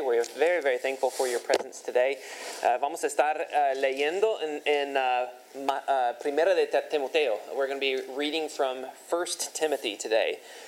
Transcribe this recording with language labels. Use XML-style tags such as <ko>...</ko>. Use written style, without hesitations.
<en>We're very, very thankful for your presence today.</en> <es>Vamos a estar leyendo en Primera de Timoteo.</es> <en>We're going to be reading from 1 Timothy today.</en>